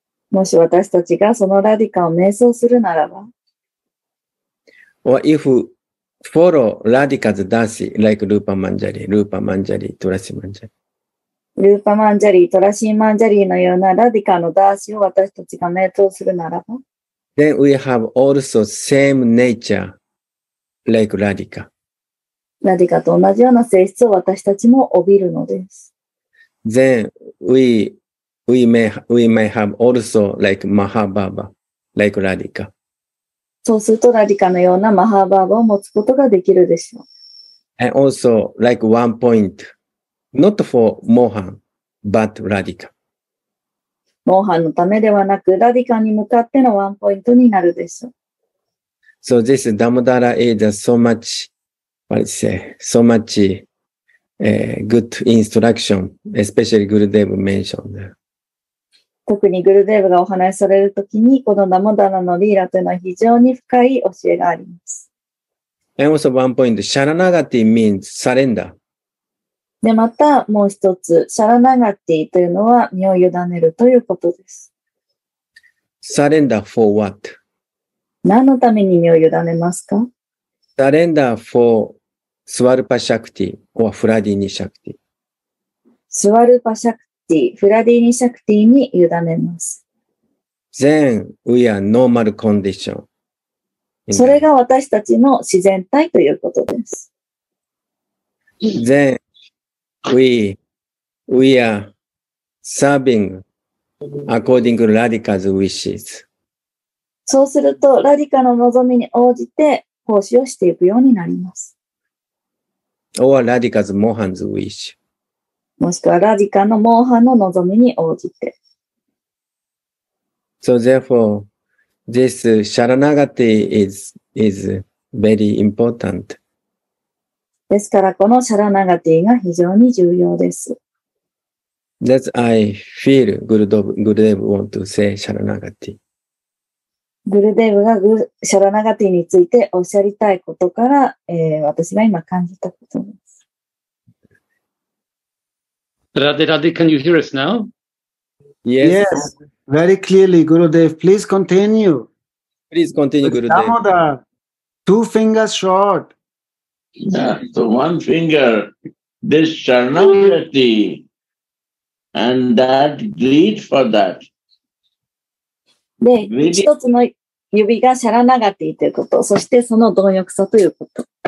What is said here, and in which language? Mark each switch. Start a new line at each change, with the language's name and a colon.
Japanese: もし私たちがそのラディカを瞑想するならば、
English: or if follow Radhika's dasi, like Rupa Manjari, Rupa Manjari, Tulasi Manjari.
Japanese: ルーパマンジャリー、トラシーマンジャリーのようなラディカのダーシを私たちが瞑想するならば、
English: Then we have also same nature like Radhika.
Japanese: Radhika と同じような性質を私たちも帯びるのです。
English: Then we may have also like Mahabhava, like Radhika.
Japanese: そうするとラディカのようなマハバーバを持つことができるでしょう。
English: And also like one point, not for Mohan, but Radhika.
Japanese: モーハンのためではなく、ラディカに向かってのワンポイントになるでしょう。
English: So this Damodara is so much, what do you say, so much、good instruction, especially Gurudev mentioned.
Japanese: 特にグルデーブがお話しされるときに、このダモダラのリーラというのは非常に深い教えがあります。
English: And also one point, Sharanagati means surrender.
Japanese: で、またもう一つ、シャラナガティというのは身を委ねるということです。
English: Surrender for what?
Japanese: 何のために身を委ねますか?
English: Surrender for Swarupa Shakti or Fradini Shakti.
Japanese: Swarupa Shakti, Fradini Shakti に委ねます。
English: Then we are normal condition.
Japanese: それが私たちの自然体ということです。
English: Then,We are serving according to Radhika's wishes.
Japanese: そうすると、ラディカの望みに応じて奉仕をしていくようになります。
English: Or Radhika's Mohan's wish.
Japanese: もしくは、ラディカのモーハンの望みに応じて。
English: So therefore, this Sharanagati is very important.
Japanese: ですから、このシャラナガティが非常に重要です。
English: That's I feel Gurudev want to say シャラナガティ。
Japanese: グルデーブがシャラナガティについておっしゃりたいことから、私が今感じたことです。
English: Radhe, can you hear us now? Yes. Yes, very clearly, Gurudev. Please continue. Please continue, Gurudev. Damoda, two fingers short. So one finger, this Sharanagati, and that greed for that.
Japanese: で、一つの指がシャラナガティということ、そしてその貪欲さということ。